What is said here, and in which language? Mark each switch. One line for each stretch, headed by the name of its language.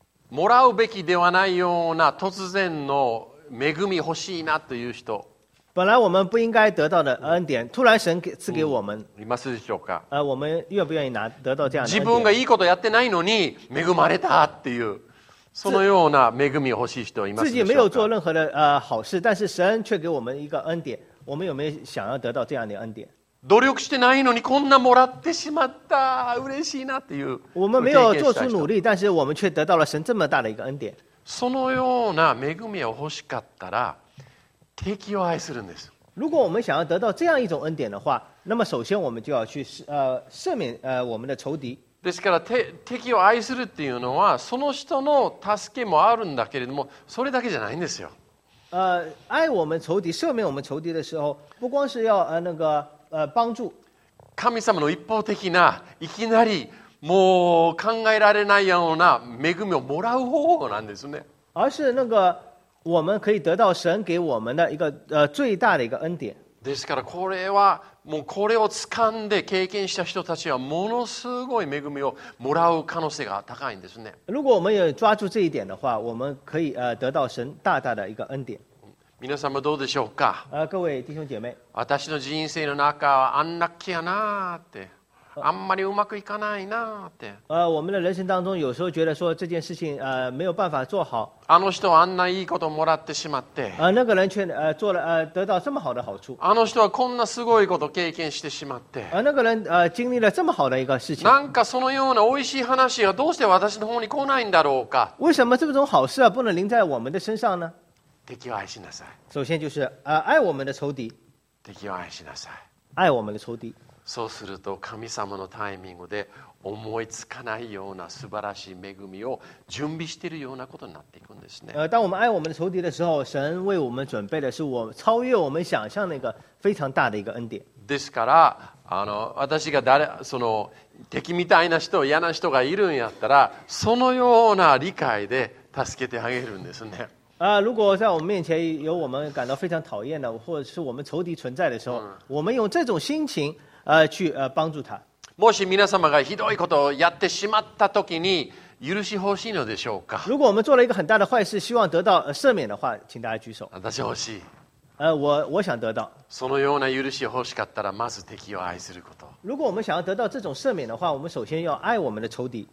Japanese: もらうべきではないような突然の恵み欲しいなという人、
Chinese: 本来我们不应该得到的恩典，突然神赐给我们。
Japanese: いますでしょうか。
Chinese: 我们愿不愿意拿得到这样的？
Japanese: 自分がいいことやってないのに恵まれたっていう、そのような恵みを欲しい人はいますでしょうか。
Chinese: 自己没有做任何的好事，但是神却给我们一个恩典，我们有没有想要得到这样的恩典？
Japanese: 努力してないのにこんなもらってしまった、嬉しいなっていう。
Chinese: 我们没有做出努力，但是我们却得到了神这么大的一个恩典。
Japanese: そのような恵みを欲しかったら。敵を愛するんです。
Chinese: 如果我们想要得到这样一种恩典的话，那么首先我们就要去赦免我们的仇敌。
Japanese: ですから敵を愛するっていうのはその人の助けもあるんだけれども、それだけじゃないんですよ。
Chinese: 爱我们仇敌、赦免我们仇敌的时候，不光是要帮助。
Japanese: 神様の一方的な、いきなりもう考えられないような恵みをもらう方法なんですね。
Chinese: 而是那个。我们可以得到神给我们的一个最大的一个恩典。
Japanese: ですからこれはもうこれを掴んで経験した人たちはものすごい恵みをもらう可能性が高いんですね。
Chinese: 如果我们也抓住这一点的话，我们可以得到神大大的一个恩典。
Japanese: 皆さんもどうでしょうか。
Chinese: 各位弟兄姐妹。
Japanese: 私の人生の中はアンラッキーやなって。あんまりうまくいかないなって。
Chinese: 我们的人生当中，有时候觉得说这件事情，没有办法做好。
Japanese: あの人はあんないいこともらってしまって。
Chinese: 那个人却做了得到这么好的好处。
Japanese: あの人はこんなすごいこと経験してしまって。
Chinese: 那个人经历了这么好的一个事情。
Japanese: なんかそのようなおいしい話がどうして私の方に来ないんだろうか。
Chinese: 为什么这种好事啊不能临在我们的身上呢？
Japanese: 敵を愛しなさい。
Chinese: 首先就是爱我们的仇敌。
Japanese: 敵を愛しなさい。
Chinese: 爱我们的仇敌。
Japanese: そうすると神様のタイミングで思いつかないような素晴らしい恵みを準備しているようなことになっていくんですね。
Chinese: 当我们爱我们的仇敌的时候，神为我们准备的是超越我们想象那个非常大的一个恩典。
Japanese: ですから私が誰その敵みたいな人嫌な人がいるんやったらそのような理解で助けてあげるんですね。
Chinese: 如果在我们面前有我们感到非常讨厌的或者是我们仇敌存在的时候，我们用这种心情。帮助他。
Japanese: もし皆様がひどいことをやってしまったときに許し欲しいのでしょうか。
Chinese: 如果我们做了一个很大的坏事，希望得到赦免的话，请大家举手。
Japanese: 私欲しい。
Chinese: 我想得到。
Japanese: そのような許し欲しかったら、まず敵を愛すること。
Chinese: 如果我们想要得到这种赦免的话，我们首先要爱我们的仇敌。